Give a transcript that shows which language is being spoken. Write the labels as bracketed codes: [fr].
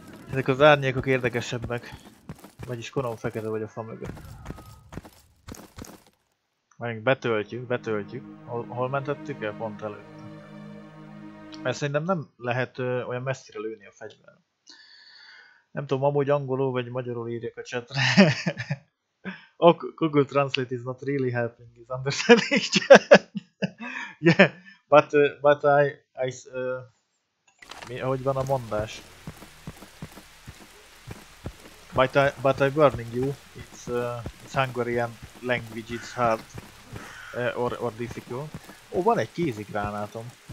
[hu] Ezek az árnyékok érdekesebbek. Vagyis konon fekete vagy a fa mögött. Megint betöltjük. Hol mentettük el pont előtt? Mert szerintem nem lehet olyan messzire lőni a fegyver. Nem tudom, amúgy angolul vagy magyarul írjak a chatre. [en] Oh, Google Translate is not really helping his understanding. Yeah, but I [hu] mi, ahogy van a mondás? [en] But I'm warning you, it's Hungarian language, it's hard or difficult. [hu] Oh, van egy kézigránátom.